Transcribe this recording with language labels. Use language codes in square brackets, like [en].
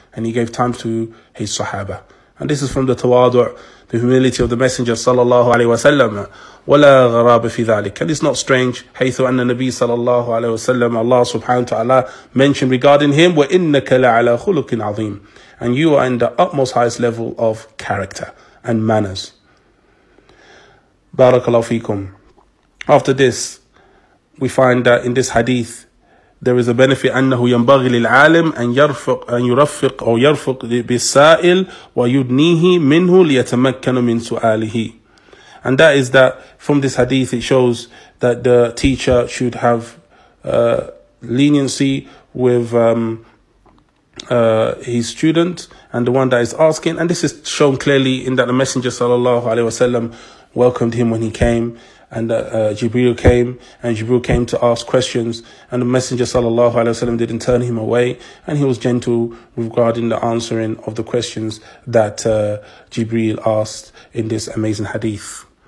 [en] And he gave time to his sahaba. And this is from the tawadu', the humility of the Messenger sallallahu alaihi wasallam. [ar] ولا غراب في ذلك. [en] And it's not strange, [ar] حيث أن النبي صلى الله عليه وسلم, Allah سبحانه وتعالى [en] mentioned regarding him, [ar] وإنك لعلى خلق عظيم. [en] And you are in the utmost highest level of character and manners. [ar] بارك الله فيكم. [en] After this, we find that in this hadith, there is a benefit [ar] أنه ينبغي للعالم أن يرفق أو يرفق بالسائل ويدنيه منه ليتمكن من سؤاله. [en] And that is that from this hadith, it shows that the teacher should have leniency with his student and the one that is asking. And this is shown clearly in that the Messenger sallallahu alaihi wasallam welcomed him when he came, and Jibreel came, and Jibreel came to ask questions, and the Messenger sallallahu alaihi wasallam didn't turn him away, and he was gentle regarding the answering of the questions that Jibreel asked in this amazing hadith.